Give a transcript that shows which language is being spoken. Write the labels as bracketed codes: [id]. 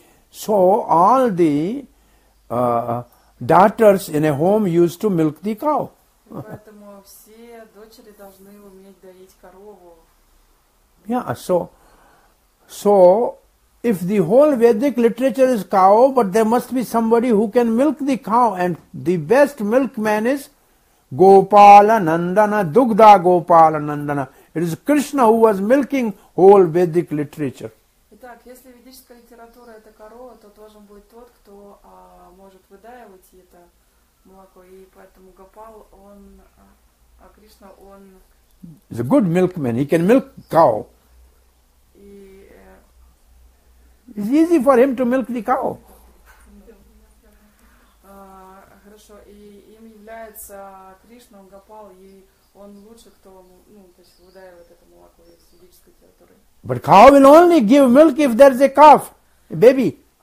[en] So all the daughters in a home used to milk the cow. [ru] Поэтому все дочери должны уметь доить корову. [en] Yeah, so if the whole Vedic literature is cow, but there must be somebody who can milk the cow, and the best milkman is Gopala Nandana, Dugda Gopala Nandana. It is Krishna who was milking whole Vedic literature. [ru] Итак, если ведическая литература это корова, то должен быть тот, кто может выдаивать это молоко. И поэтому Гопал, он, а Кришна, он... [en] He's a good milkman. He can milk cow. [ru] И, [en] It's easy for him to milk the cow. [ru] Хорошо. И им является Кришна, он Гопал, и он лучше, кто то есть выдаивает это молоко из ведической литературы. [en] But cow will only give milk if there is a calf, a baby.